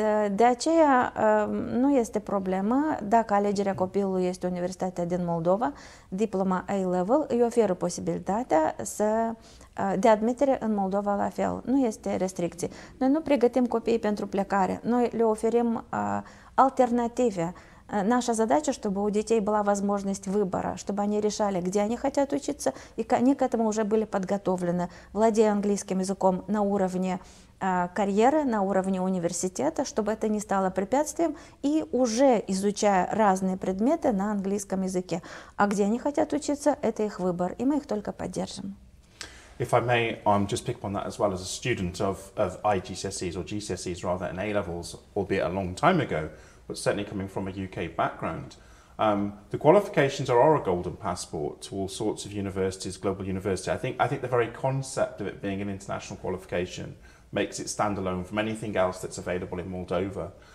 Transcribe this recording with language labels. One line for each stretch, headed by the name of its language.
Romanian: De aceea nu este problemă dacă alegerea copilului este Universitatea din Moldova, diploma A-level îi oferă posibilitatea de admitere în Moldova la fel. Nu este restricție. Noi nu pregătim copiii pentru plecare. Noi le oferim alternative.
Russian: Наша задача, чтобы у детей была возможность выбора, чтобы они решали, где они хотят учиться, и они к этому уже были подготовлены, владея английским языком на уровне карьеры, на уровне университета, чтобы это не стало препятствием, и уже изучая разные предметы на английском языке. А где они хотят учиться, это их выбор, и мы их только поддержим.
English: If I may, just pick up on that as well, as a student of IGCSEs or GCSEs rather, and A-levels, albeit a long time ago, but certainly coming from a UK background. The qualifications are a golden passport to all sorts of universities, global university. I think the very concept of it being an international qualification makes it stand alone from anything else that's available in Moldova.